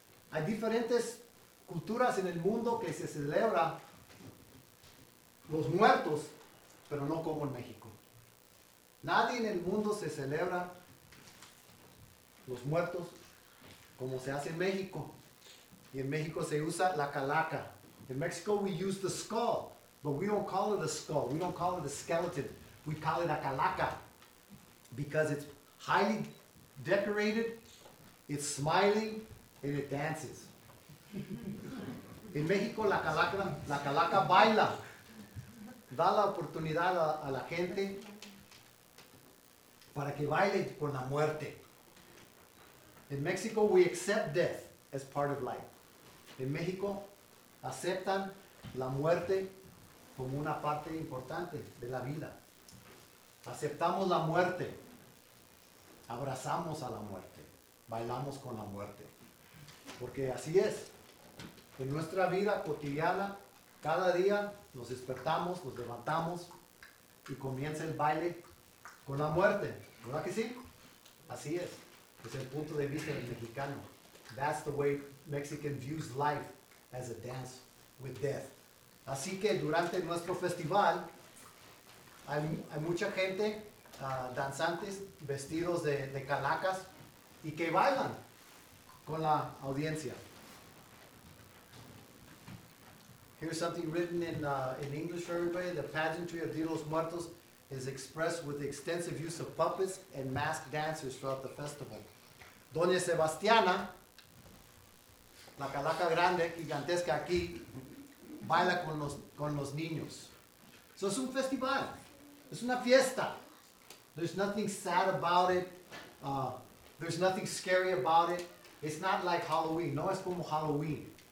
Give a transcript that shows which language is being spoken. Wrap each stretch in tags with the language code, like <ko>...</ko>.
<es>Hay diferentes culturas en el mundo que se celebra los muertos, pero no como en México. Nadie en el mundo se celebra los muertos como se hace en México. Y en México se usa la calaca.</es> <en>In Mexico we use the skull, but we don't call it a skull. We don't call it a skeleton. We call it a calaca because it's highly decorated, it's smiling, and it dances.</en> <es>En México la calaca baila. Da la oportunidad a la gente para que baile con la muerte.</es> <en>In Mexico, we accept death as part of life.</en> <es>En México, aceptan la muerte como una parte importante de la vida. Aceptamos la muerte. Abrazamos a la muerte. Bailamos con la muerte. Porque así es. En nuestra vida cotidiana, cada día nos despertamos, nos levantamos y comienza el baile con la muerte. ¿Verdad que sí? Así es. Es el punto de vista del mexicano.</es> <en>That's the way Mexican views life, as a dance with death.</en> <es>Así que durante nuestro festival hay mucha gente, danzantes, vestidos de calacas y que bailan con la audiencia.</es> <en>Here's something written in English for everybody. The pageantry of Día de los Muertos is expressed with the extensive use of puppets and masked dancers throughout the festival.</en> <es>Doña Sebastiana, la calaca grande, gigantesca aquí, baila con los niños.</es> <en>So it's a festival. It's</en> <es>una fiesta.</es> <en>There's nothing sad about it. There's nothing scary about it. It's not like Halloween.</en> <es>No es como Halloween.</es>